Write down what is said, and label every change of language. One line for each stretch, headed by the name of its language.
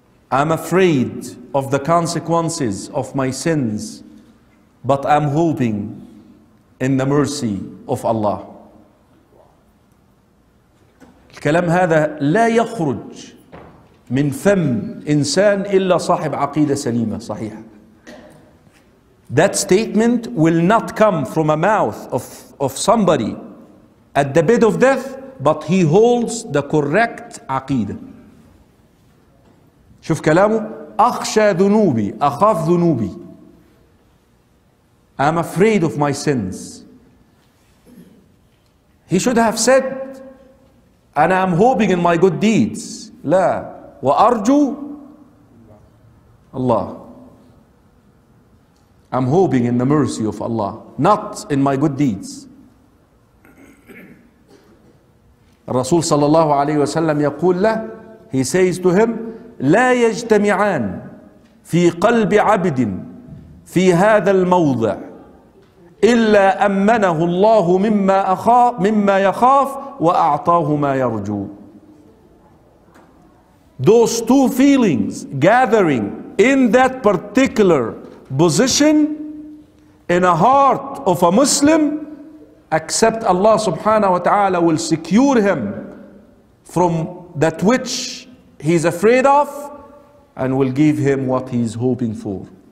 English: I'm afraid of the consequences of my sins, but I'm hoping in the mercy of Allah.
Arabic: الكلام هذا لا يخرج من فم إنسان إلا صاحب عقيدة سليمة صحيحة.
English: That statement will not come from a mouth of somebody at the bed of death, but he holds the correct عقيدة.
Arabic: شوف كلامه, أخشى ذنوبي, أخاف ذنوبي.
English: I'm afraid of my sins. He should have said, and I'm hoping in my good deeds.
Arabic: لا, وأرجو الله.
English: I'm hoping in the mercy of Allah, not in my good deeds.
Arabic: الرسول صلى الله عليه وسلم يقول له,
English: he says to him,
Arabic: لا يجتمعان في قلب عبد في هذا الموضع إلا أمنه الله مما أخاف مما يخاف وأعطاه ما يرجو.
English: Those two feelings gathering in that particular position in a heart of a Muslim, except Allah subhanahu wa ta'ala will secure him from that which he's afraid of and will give him what he's hoping for.